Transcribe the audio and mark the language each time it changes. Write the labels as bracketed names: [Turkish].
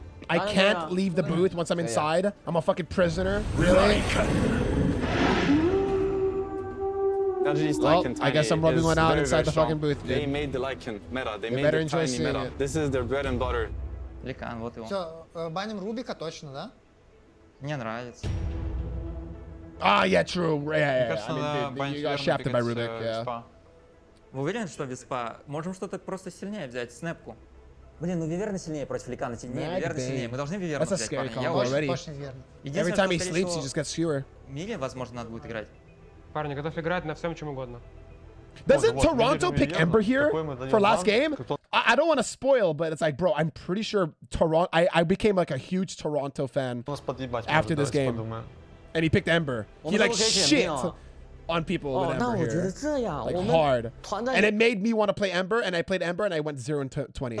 [English] I can't leave the booth once I'm inside. I'm a fucking prisoner. Really? Well, I guess I'm rubbing one out inside the fucking booth, dude. They made the Lycan meta. They made the tiny meta. This is their bread and butter. [Russian] Lycan, вот его. Все, баним Рубика точно, да? Мне нравится. [English] Ah, yeah, true. Yeah. You got shafted by Рубик, yeah. [Russian] Вы уверены, что Виспа? Можем что-то просто сильнее взять, снэпку. Блин, ну Виверна сильнее против Ликана. Не, Виверна сильнее. Мы должны Виверну взять, парни. [English] That's a scary combo already. Every time he sleeps, he just gets fewer. [Russian] Мили, возможно, надо будет играть. Парни, готов играть на всем, чем угодно. [English] Doesn't Toronto пик Ember here for last game? I don't want to spoil, but it's like, bro, I'm pretty sure Toronto... I became like a huge Toronto fan after this game. And he picked Ember. He like shit on people with Ember here. Like hard. And it made me want to play Ember, and I played Ember, and I went 0-20.